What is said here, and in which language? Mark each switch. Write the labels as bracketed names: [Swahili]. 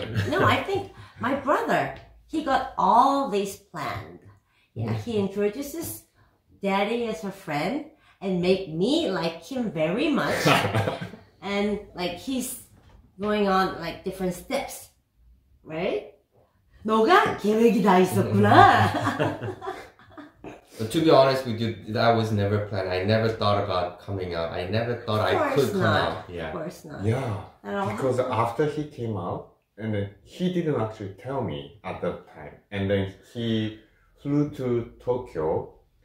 [English] No, I think my brother, he got all this planned. Yeah, he introduces Daddy as a friend and make me like him very much. And like he's going on like different steps, right? [Korean] 너가 계획이 다 있었구나. [English] But to be honest with you, that was never planned. I never thought about coming out. I never thought I could come out. Of course not. Yeah. Because after he came out, And then he didn't actually tell me at that time. And then he flew to Tokyo.